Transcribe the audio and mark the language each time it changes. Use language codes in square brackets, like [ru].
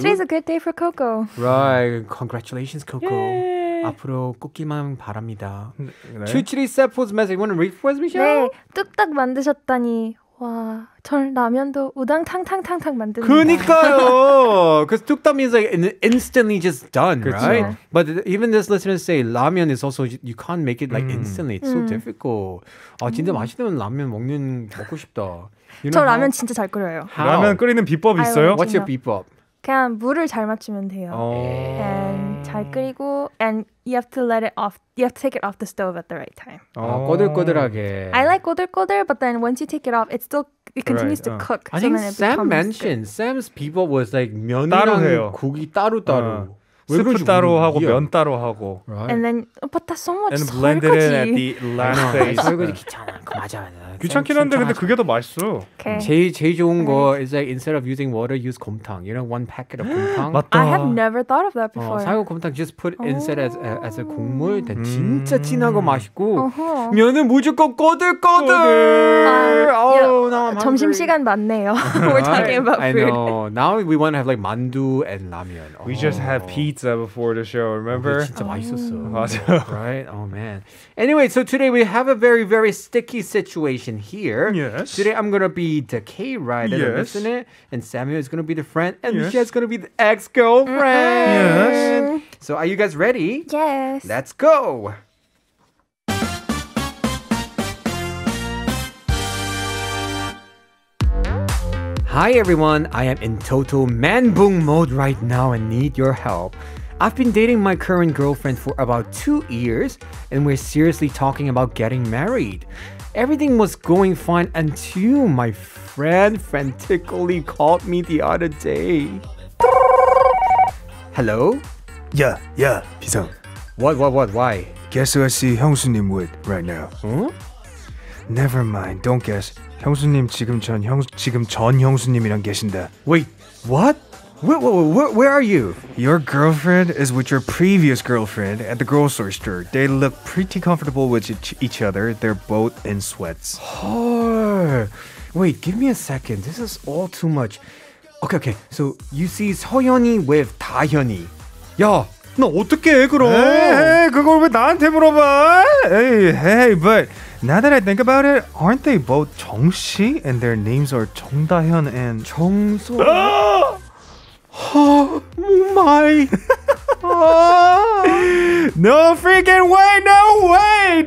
[en] Today's a good day for Coco. Right. Congratulations, Coco. Yay. [ko] 앞으로 꽃길만 바랍니다. 추출이 세포's [en] message. You want to read for us, Michelle? [ko] 네. 뚝딱 만드셨다니. 와, 전 라면도 우당 탕탕탕탕 만듭니다. 그니까요. 그래서 뚝딱 [en] means like instantly just done, [ko] 그쵸? [en] right? But even this listener say 라면 is also you can't make it like instantly. It's so difficult. [ko] 아 진짜 맛있는 라면 먹는 먹고 싶다. [en] You know [ko] 저 라면 [en] how? [ko] 진짜 잘 끓여요. [en] How? [ko] 라면 끓이는 비법 있어요? [en] What's your 비법? [ko] 그냥 물을 잘 맞추면 돼요. [en] Oh. And [ko] 잘 끓이고 [en] and you have to let it off. You have to take it off the stove at the right time. [ko] 꼬들꼬들하게. [en] I like 꼬들꼬들, but then once you take it off, it still it continues to cook. I think Sam mentioned Sam's people was like [ko] 면이랑 따로 해요. 국이 따로따로. 스프 따로 하고 면 따로 하고. [en] Right. And then but that's so much. And blended in at the last phase. [ko] 설거지 [en] yeah. [ko] 귀찮아. 그 맞아. 귀찮긴 한데 근데 그게 더 맛있어. 제일 좋은 거 [en] is like instead of using water, use 곰탕. You know, one packet of 곰탕. 맞다. I have never thought of that before. [ko] 사고 곰탕 [en] just put instead as a 국물. [ko] 진짜 진하고 맛있고 면은 무조건 꺼들꺼들. 점심 시간 맞네요. [en] We're talking about food. I know. Now we want to have like 만두 and 라면. We just had pizza before the show. Remember? [ko] 진짜 맛있었어. [en] Right? Oh man. Anyway, so today we have a very very sticky situation. Here. Yes. Today I'm gonna be the Kride and listen it, and Samuel is gonna be the friend, and she is gonna be the ex-girlfriend. Yes. So are you guys ready? Yes. Let's go. Hi everyone. I am in total man boom mode right now and need your help. I've been dating my current girlfriend for about 2 years, and we're seriously talking about getting married. Everything was going fine until my friend frantically called me the other day. Hello? Yeah, yeah, 비상. What, why? Guess who I see 형수님 with right now. Huh? Never mind, don't guess. [ko] 형수님 지금 전 형수님이랑 계신다. [en] Wait, what? Where are you? Your girlfriend is with your previous girlfriend at the grocery store. They look pretty comfortable with each other. They're both in sweats. Oh, wait, give me a second. This is all too much. Okay. So you see 서현이 with 다현이. [ko] 야, 너 어떻게 해, 그럼? 에이, 그걸 왜 나한테 물어봐? [en] Hey, but now that I think about it, aren't they both 정씨? And their names are 정다현 and [ko] 정소. [en] Oh my! No freaking way! No way!